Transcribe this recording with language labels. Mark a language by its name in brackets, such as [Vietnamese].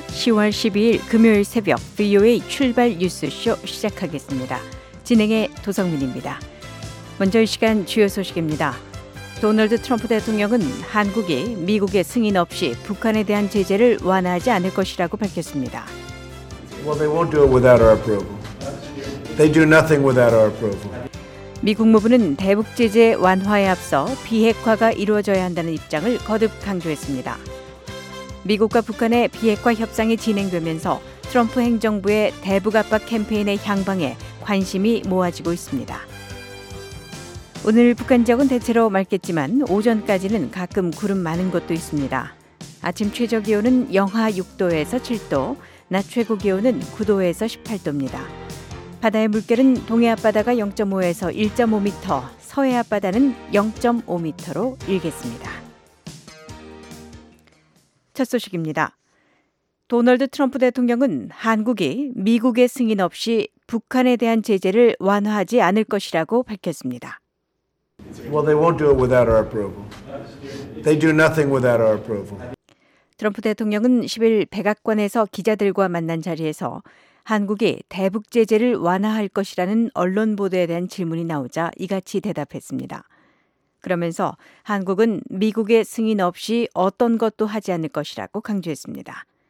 [Korean] 10월 12일 금요일 새벽 VOA 출발 뉴스쇼 시작하겠습니다. 진행의 도성민입니다. 먼저 이 시간 주요 소식입니다. 도널드 트럼프 대통령은 한국이 미국의 승인 없이 북한에 대한 제재를 완화하지 않을 것이라고 밝혔습니다. [English] Well, they won't do it without our approval. They do nothing without our approval. [Korean] 미 국무부는 대북 제재 완화에 앞서 비핵화가 이루어져야 한다는 입장을 거듭 강조했습니다. 미국과 북한의 비핵화 협상이 진행되면서 트럼프 행정부의 대북 압박 캠페인의 향방에 관심이 모아지고 있습니다. 오늘 북한 지역은 대체로 맑겠지만 오전까지는 가끔 구름 많은 곳도 있습니다. 아침 최저 기온은 영하 6도에서 7도, 낮 최고 기온은 9도에서 18도입니다. 바다의 물결은 동해 앞바다가 0.5에서 1.5m, 서해 앞바다는 0.5m로 일겠습니다. 첫 소식입니다. 도널드 트럼프 대통령은 한국이 미국의 승인 없이 북한에 대한 제재를 완화하지 않을 것이라고 밝혔습니다. [English] Well, they won't do it without our approval. They do nothing without our approval. [Korean] 트럼프 대통령은 10일 백악관에서 기자들과 만난 자리에서 한국이 대북 제재를 완화할 것이라는 언론 보도에 대한 질문이 나오자 이같이 대답했습니다. 그러면서 한국은 미국의 승인 없이 어떤 것도 하지 않을 것이라고 강조했습니다.